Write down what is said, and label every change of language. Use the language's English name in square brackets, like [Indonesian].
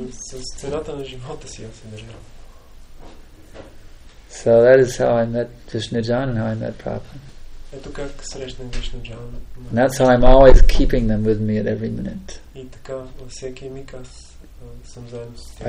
[Bulgarian] За цената на живота си аз се държа. [English] So that is how I met Vishnujan and how I met Prabhupada. [Bulgarian] Ето как срещнах Вишну Джан. [English] That's how I'm always keeping them with me at every minute. [Bulgarian] И така във всеки миг аз съм заедно с тях.